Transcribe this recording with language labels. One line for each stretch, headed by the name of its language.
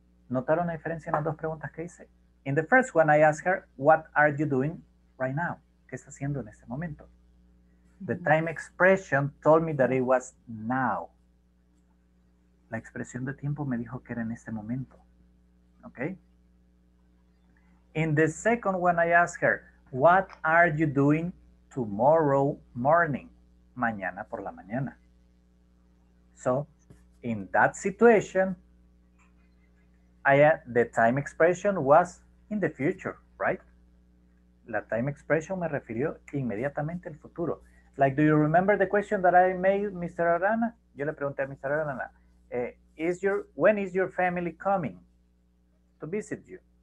Spanish: ¿Notaron la diferencia en las dos preguntas que hice?
English: In the first one, I ask her, what are you doing right now?
Spanish: ¿Qué está haciendo en este momento?
English: The time expression told me that it was now.
Spanish: La expresión de tiempo me dijo que era en este momento.
English: Okay? In the second one, I ask her, what are you doing tomorrow morning?
Spanish: Mañana por la mañana.
English: So, in that situation, the time expression was in the future, right?
Spanish: La time expression me refirió inmediatamente al futuro.
English: Like, do you remember the question that I made, Mr. Arana?
Spanish: Yo le pregunté a Mr.
English: Arana, when is your family coming to visit you?